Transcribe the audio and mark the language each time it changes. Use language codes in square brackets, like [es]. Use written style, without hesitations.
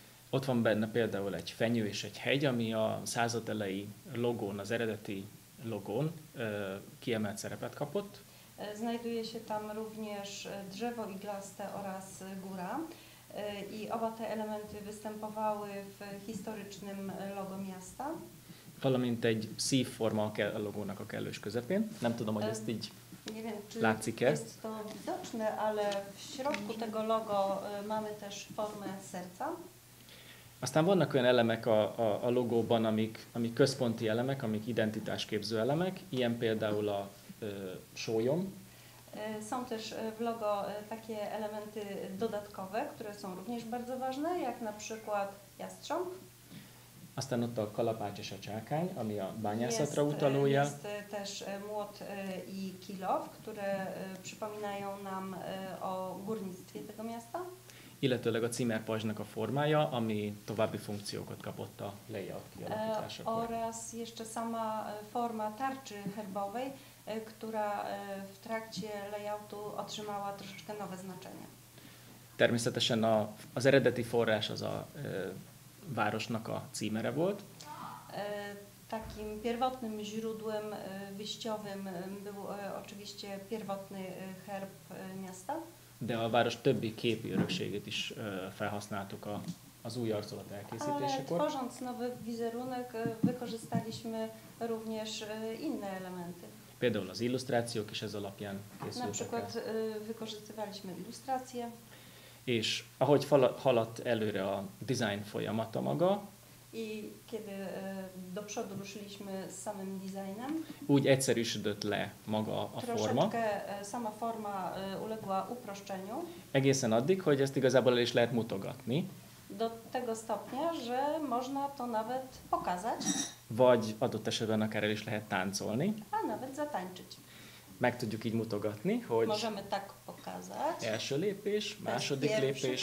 [hu] Ott van benne például egy fenyő és egy hegy, ami a század elejé logón, az eredeti logón kiemelt szerepet kapott. [pl] Znajduje się tam również drzewo iglaste oraz góra. I oba te elementy występowały w historycznym logo miasta. [hu] Valamint egy szívforma a logónak a kellős közepén. Nem tudom, hogy ezt így [pl] nie wiem, czy [hu] látszik-e. [pl] Jest to widoczne, ale w środku tego logo mamy też formę serca. [hu] Aztán vannak olyan elemek a logóban, amik központi elemek, amik identitásképző elemek, ilyen például a sólyom. [pl] Są też w logo takie elementy dodatkowe, które są również bardzo ważne, jak na przykład jastrząb. [hu] Aztán ott a kalapács és a csákány, ami a bányászatra utaló jel. [pl] Jest też młot i kilow, które przypominają nam o górnictwie tego miasta. [hu] Illetőleg a címerpajzsnak a formája, ami további funkciókat kapott a layout kialakításakor. [pl] Oraz jeszcze sama forma tarczy herbowej, która w trakcie layoutu otrzymała troszeczkę nowe znaczenie. [hu] Természetesen az eredeti forrás az a városnak a címere volt. [pl] Takim pierwotnym źródłem wyjściowym był oczywiście pierwotny herb miasta. [hu] De a város többi képi örökségét is felhasználtuk az új arculat elkészítésekor. [pl] Ale tworząc nowy wizerunek wykorzystaliśmy również inne elementy. [hu] Például az illusztrációk is ez alapján készültek. [pl] Na przykład wykorzystywaliśmy illusztrację. [hu] És ahogy haladt előre a design folyamata maga, [pl] i kiedy do przodu ruszyliśmy z samym designem, [hu] úgy egyszerűsödött le maga a forma. [pl] Troszeczkę sama forma uległa uproszczeniu. [hu] Egészen addig, hogy ezt igazából el is lehet mutogatni. [pl] do tego stopnia, że można to nawet pokazać. [hu] Vagy adott esetben akár el is lehet táncolni. [pl] A nawet zatańczyć. [hu] Meg tudjuk így mutogatni, hogy [pl] możemy tak pokazać. [hu] Első lépés, második lépés,